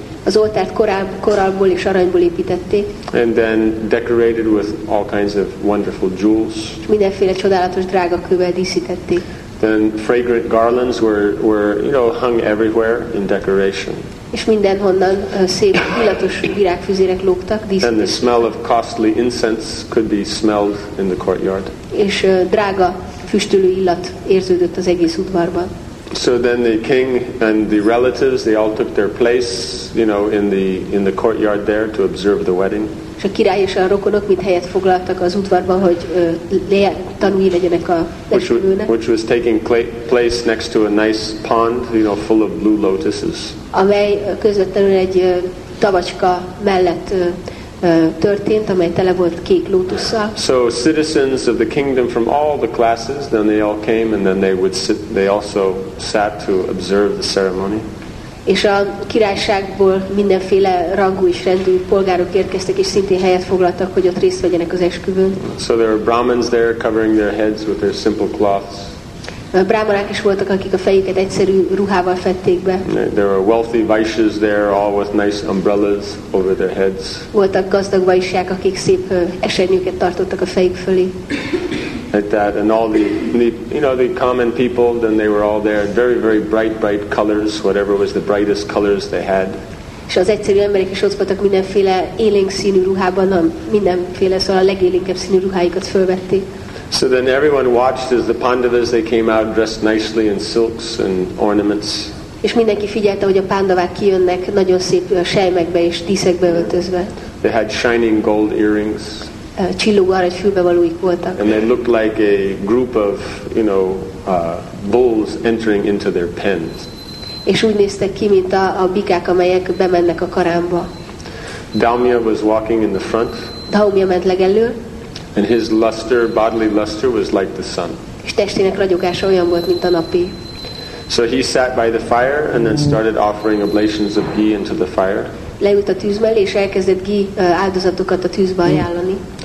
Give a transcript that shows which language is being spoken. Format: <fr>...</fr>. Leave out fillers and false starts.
<hu>Az oltárt korallból és aranyból építették.</hu> <en>And then decorated with all kinds of wonderful jewels.</en> <hu>Mindenféle csodálatos drága kővel díszítették.</hu> <en>Then fragrant garlands were you know, hung everywhere in decoration.</en> <hu>És mindenhonnan szép illatos virágfüzérek lógtak, díszítették.</hu> <en>And the smell of costly incense could be smelled in the courtyard.</en> <hu>És drága füstölő illat érződött az egész udvarban.</hu> <en>So then the king and the relatives, they all took their place, you know, in the courtyard there to observe the wedding.</en> <hu>És a király és a rokonok mind helyet foglaltak az udvarban, hogy tanulni legyenek a esküvőnek.</hu> <en>Which was taking place next to a nice pond, you know, full of blue lotuses.</en> <hu>Amely közvetlenül egy tavacska mellett történt, amely tele volt kék lótusszal.</hu> <en>So citizens of the kingdom from all the classes, then they all came, and then they would sit, they also sat to observe the ceremony.</en> <hu>És a királyságból mindenféle rangú és rendű polgárok érkeztek, és szintén helyet foglaltak, hogy ott részt vegyenek az esküvőn.</hu> <en>So there were Brahmins there covering their heads with their simple cloths.</en> <hu>Brahmanák is voltak, akik a fejüket egyszerű ruhával fették be.</hu> <en>There were wealthy vaishyas there, all with nice umbrellas over their heads.</en> <hu>Voltak gazdag vaishyák, akik szép esernyőket tartottak a fejük fölé.</hu> <en>Like that, and all the, you know, the common people, then they were all there, very, very bright, bright colors, whatever was the brightest colors they had.</en> <hu>És az egyszerű emberek is ott voltak mindenféle élénk színű ruhában, mindenféle, szóval a legélénkebb színű ruháikat fölvették.</hu> <en>So then everyone watched as the Pandavas, they came out dressed nicely in silks and ornaments.</en> <hu>És mindenki figyelte, hogy a pándavák kijönnek nagyon szép selymekbe és díszekbe öltözve.</hu> <en>They had shining gold earrings.</en> <hu>Csillogó arany fülbevalóik voltak.</hu> <en>And they looked like a group of, you know, bulls entering into their pens.</en> <hu>És úgy néztek ki, mint a bikák, amelyek bemennek a karámba.</hu> <en>Daumya was walking in the front.</en> <hu>Daumya ment legelő.</hu> <en>And his luster, bodily luster, was like the sun.</en> <hu>És testének ragyogása olyan volt, mint a napi.</hu> <en>So he sat by the fire and then started offering oblations of ghee into the fire.</en> <hu>Leült a tűz mellé, és elkezdett ghee áldozatokat a tűzbe ajánlani.</hu>